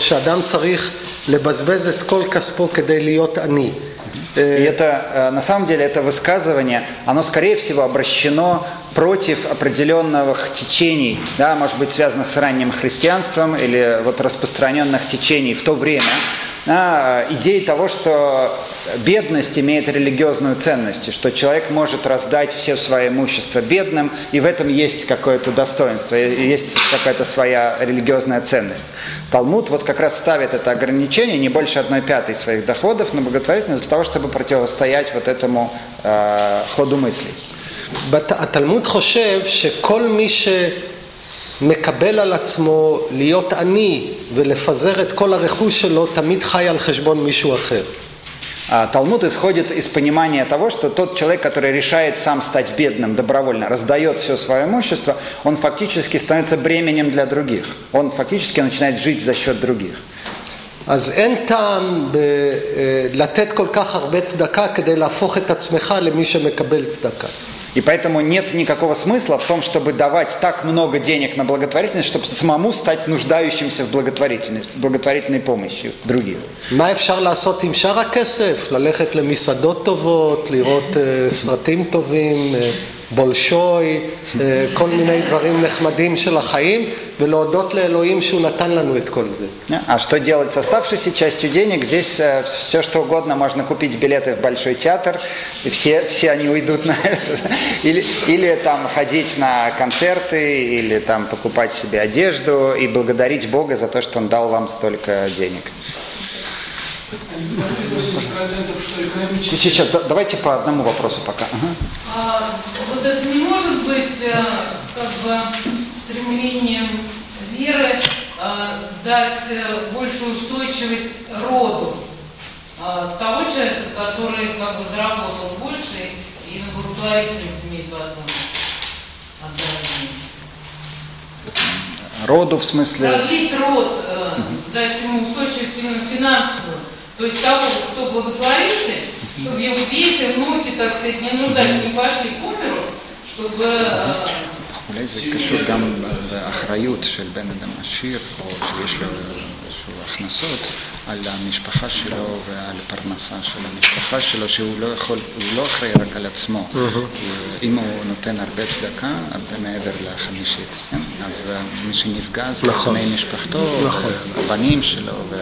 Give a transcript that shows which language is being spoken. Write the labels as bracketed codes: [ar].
[he] שאדם צריך לבזבז את כל כספו כדי להיות עני. [ru] И это, на самом деле, это высказывание, оно, скорее всего, обращено против определенных течений, да, может быть, связанных с ранним христианством или вот распространенных течений в то время, идеи того, что бедность имеет религиозную ценность, и что человек может раздать все свое имущество бедным, и в этом есть какое-то достоинство, есть какая-то своя религиозная ценность. Талмуд вот как раз ставит это ограничение, не больше 1/5 своих доходов на благотворительность для того, чтобы противостоять вот этому ходу мыслей. [he] התלמוד חושב שכל מי שמקבל על עצמו להיות עני ולפזר את כל הרכוש שלו תמיד חי על חשבון מישהו אחר. [ru] התלמוד исходит из понимания того, что тот человек, который решает сам стать бедным добровольно, раздает все свое имущество, он фактически становится бременем для других. Он фактически начинает жить за счет других. [he] אז אין טעם לתת כל כך הרבה צדקה כדי להפוך את עצמך למי שמקבל צדקה. [ru] И поэтому нет никакого смысла в том, чтобы давать так много денег на благотворительность, чтобы самому стать нуждающимся в благотворительности, благотворительной помощи другим. [he] Ма אפשר לעשות עם שאר הכסף? ללכת למסעדות טובות, לראות סרטים טובים, בולשוי, כל מיני דברים נחמדים של החיים, ולהודות לאלוהים שהוא נתן לנו את כל זה. [ru] А что делать с оставшейся частью денег? Здесь все что угодно, можно купить билеты в большой театр, и все они уйдут на это. Или там ходить на концерты, или там покупать себе одежду и благодарить Бога за то, что Он дал вам столько денег. 80%, что экономически... Сейчас, давайте по одному вопросу пока. Вот это не может быть как бы стремлением веры дать большую устойчивость роду того человека, который как бы заработал больше и на благотворительность имеет возможность отдать деньги. Роду в смысле... Продлить род, дать ему устойчивость именно финансовую. То есть того, кто благотворитель, чтобы его дети, внуки, так сказать, не нуждались, не пошли к умеру, чтобы... [he] זה קשור גם באחריות של בן אדם עשיר או שיש לו איזשהו הכנסות על המשפחה שלו ועל הפרנסה של המשפחה שלו שהוא לא יכול, הוא לא אחראי רק על עצמו אם הוא נותן הרבה צדקה הרבה מעבר לחמישית אז מי שנפגע זה בני משפחתו הבנים שלו